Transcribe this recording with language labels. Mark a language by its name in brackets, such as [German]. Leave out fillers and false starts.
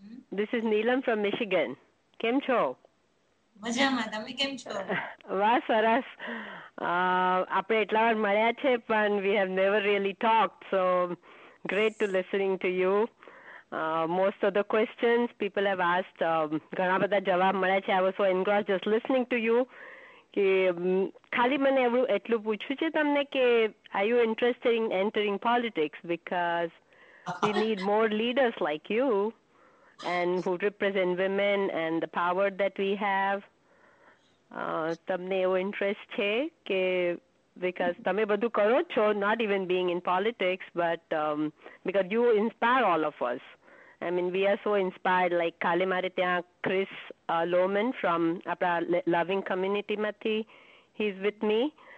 [English] This is Neelam from Michigan. Kim Cho. We have never really talked, so great to listening to you. Most of the questions people have asked, [Gujarati] ઘણા બધા જવાબ મળ્યા છે. [English] I was so engrossed just listening to you. [Gujarati] ખાલી મને એવું એટલું પૂછ્યું છે તમને કે [English] are you interested in entering politics? Because we need more leaders like you and who represent women and the power that we have. [Gujarati] તમને એવો ઇન્ટરેસ્ટ છે કે [English] because [Gujarati] તમે બધું કરો છો [English] not even being in politics but because you inspire all of us I mean we are so inspired like [Gujarati] કાલે મારે ત્યાં [English] Chris Lowman from [Gujarati] આપણા લવિંગ કમ્યુનિટીમાંથી [English] he is with me